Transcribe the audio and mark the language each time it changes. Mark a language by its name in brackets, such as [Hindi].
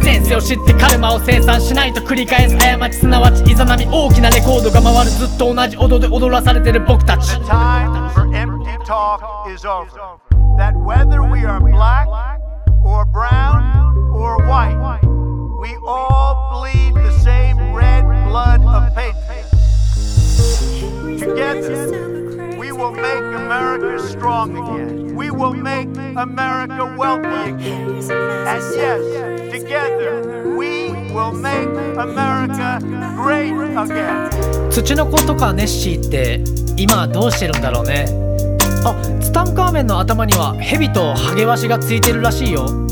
[Japanese] 前世を知ってカルマを生産しないと繰り返す過ち、すなわちイザナミ。大きなレコードが回る、ずっと同じ音で踊らされてる僕たち。 [English] The time for empty talk is over. That whether we are black or brown or white, we all bleed the same red blood of patriots. Together we will make America strong again. We will make America wealthy again. And yes, together we will make America great again. [Japanese] ツチノコとかネッシーって今どうしてるんだろうね。あ、ツタンカーメンの頭には蛇とハゲワシがついてるらしいよ。